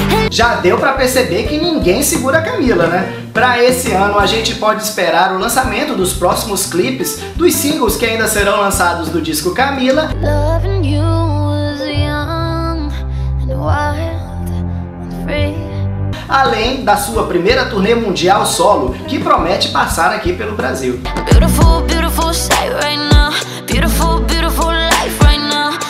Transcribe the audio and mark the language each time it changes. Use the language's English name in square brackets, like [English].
[Portuguese] Já deu pra perceber que ninguém segura a Camila, né? Pra esse ano, a gente pode esperar o lançamento dos próximos clipes, dos singles que ainda serão lançados do disco Camila. [English] Loving you was young and wild and free. [Portuguese] Além da sua primeira turnê mundial solo, que promete passar aqui pelo Brasil. [English] Beautiful, beautiful sight right now. Beautiful, beautiful life right now.